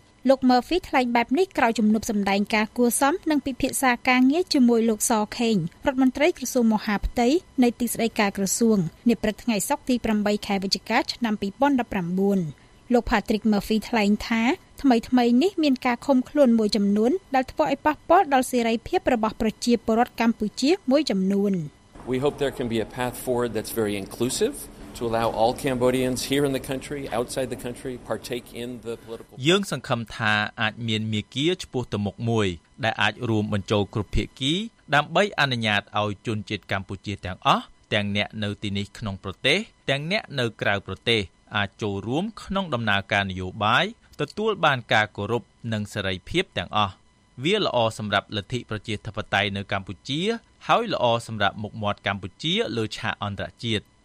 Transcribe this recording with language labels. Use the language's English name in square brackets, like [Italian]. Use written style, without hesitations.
[Khmer] លោក Murphy ថ្លែងបែបនេះក្រោយជំនួបសម្ដែងការគួសមនិងពិភាក្សាការងារជាមួយលោកសខេងរដ្ឋមន្ត្រីក្រសួងមហាផ្ទៃនៃទីស្តីការក្រសួងនាព្រឹកថ្ងៃសុក្រទី8ខែវិច្ឆិកាឆ្នាំ2019លោក Patrick Murphy ថ្លែងថាថ្មីៗនេះមានការខំខ្លួនមួយចំនួនដែលធ្វើឲ្យប៉ះពាល់ដល់សេរីភាពរបស់ប្រជាពលរដ្ឋកម្ពុជាមួយចំនួន [English] We hope there can be a path forward that's very inclusive. To allow all Cambodians here in the country, outside the country, partake in the political. [Khmer] យើងសង្ឃឹមថាអាចមានមេគីឈ្មោះទៅមុខមួយដែលអាចរួមបញ្ចូលគ្រប់ភាគីដើម្បីអនុញ្ញាតឲ្យជនជាតិកម្ពុជាទាំងអស់ទាំងអ្នកនៅទីនេះក្នុងប្រទេសទាំងអ្នកនៅក្រៅប្រទេសអាចចូលរួមក្នុងដំណើរការនយោបាយទទួលបានការគោរពនិងសេរីភាពទាំងអស់វាល្អសម្រាប់លទ្ធិប្រជាធិបតេយ្យនៅកម្ពុជាហើយល្អសម្រាប់មុខមាត់កម្ពុជាលើឆាកអន្តរជាតិ